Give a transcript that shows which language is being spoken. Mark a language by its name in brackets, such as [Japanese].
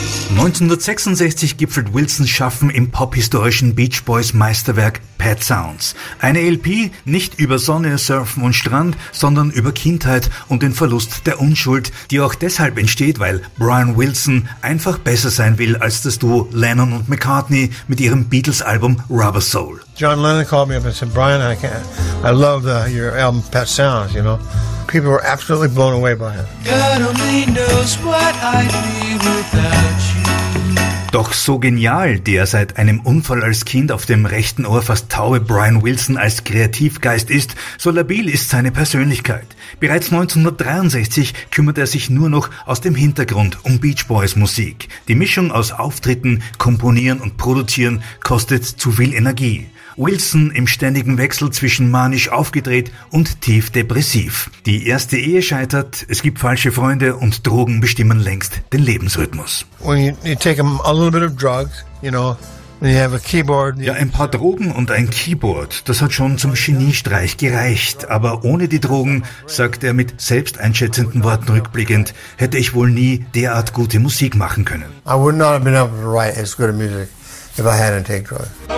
[German] 1966 gipfelt Wilsons Schaffen im pophistorischen Beach Boys Meisterwerk Pet Sounds. Eine LP nicht über Sonne, Surfen und Strand, sondern über Kindheit und den Verlust der Unschuld, die auch deshalb entsteht, weil Brian Wilson einfach besser sein will als das Duo Lennon und McCartney mit ihrem Beatles-Album Rubber Soul. [English] John Lennon called me up and said, Brian, I love your album Pet Sounds, you know. People were absolutely blown away by it. God only knows what I'd be without you. [German] Doch so genial der seit einem Unfall als Kind auf dem rechten Ohr fast taube Brian Wilson als Kreativgeist ist, so labil ist seine Persönlichkeit. Bereits 1963 kümmert er sich nur noch aus dem Hintergrund um Beach Boys Musik. Die Mischung aus Auftritten, Komponieren und Produzieren kostet zu viel Energie. Wilson im ständigen Wechsel zwischen manisch aufgedreht und tief depressiv. Die erste Ehe scheitert, es gibt falsche Freunde und Drogen bestimmen längst den Lebensrhythmus. [English] When you take a little bit of drugs, you know. [German] Ja, ein paar Drogen und ein Keyboard, das hat schon zum Geniestreich gereicht. Aber ohne die Drogen, sagt er mit selbsteinschätzenden Worten rückblickend, hätte ich wohl nie derart gute Musik machen können. [English] I would not have been able to write as good a music if I hadn't taken drugs.